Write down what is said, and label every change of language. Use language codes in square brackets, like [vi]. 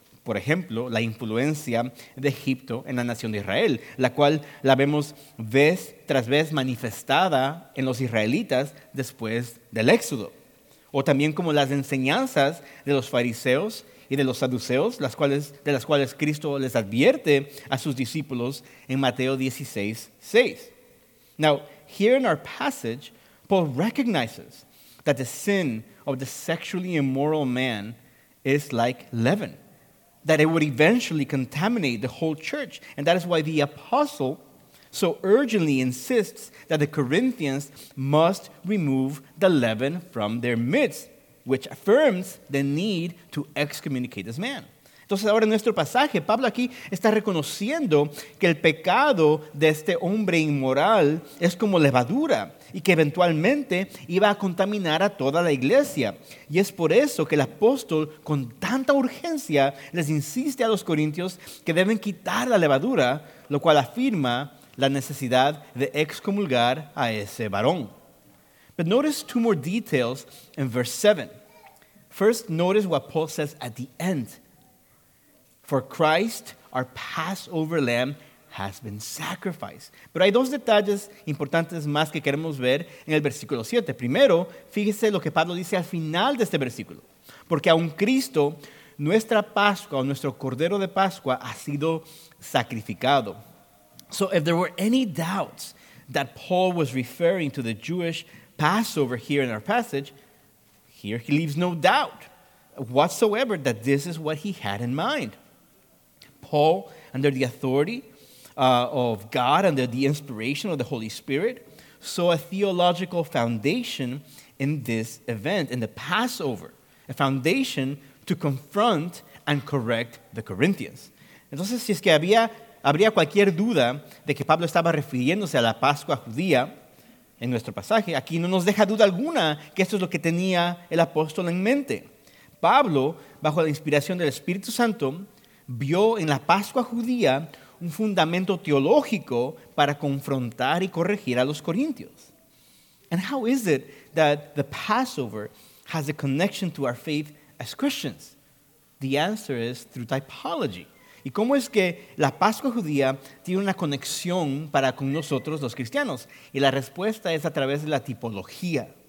[es] Por ejemplo, la influencia de Egipto en la nación de Israel, la cual la vemos vez tras vez manifestada en los israelitas después del Éxodo. O también como las enseñanzas de los fariseos y de los saduceos, de las cuales Cristo les advierte a sus discípulos en Mateo 16:6. [en] Now, here in our passage, Paul recognizes that the sin of the sexually immoral man is like leaven, that it would eventually contaminate the whole church. And that is why the apostle so urgently insists that the Corinthians must remove the leaven from their midst, which affirms the need to excommunicate this man. [es] Entonces, ahora en nuestro pasaje, Pablo aquí está reconociendo que el pecado de este hombre inmoral es como levadura y que eventualmente iba a contaminar a toda la iglesia. Y es por eso que el apóstol con tanta urgencia les insiste a los corintios que deben quitar la levadura, lo cual afirma la necesidad de excomulgar a ese varón. [en] But notice two more details in verse 7. First, notice what Paul says at the end. For Christ, our Passover lamb, has been sacrificed. [es] Pero hay dos detalles importantes más que queremos ver en el versículo 7. Primero, fíjese lo que Pablo dice al final de este versículo. Porque aun Cristo, nuestra Pascua, o nuestro Cordero de Pascua, ha sido sacrificado. [en] So if there were any doubts that Paul was referring to the Jewish Passover here in our passage, here he leaves no doubt whatsoever that this is what he had in mind. Paul, under the authority of God, under the inspiration of the Holy Spirit, saw a theological foundation in this event, in the Passover, a foundation to confront and correct the Corinthians. [es] Entonces, si es que habría cualquier duda de que Pablo estaba refiriéndose a la Pascua judía en nuestro pasaje, aquí no nos deja duda alguna que esto es lo que tenía el apóstol en mente. Pablo, bajo la inspiración del Espíritu Santo, vio en la Pascua judía un fundamento teológico para confrontar y corregir a los corintios. [en] And how is it that the Passover has a connection to our faith as Christians? The answer is through typology. [es] ¿Y cómo es que la Pascua judía tiene una conexión para con nosotros los cristianos? Y la respuesta es a través de la tipología.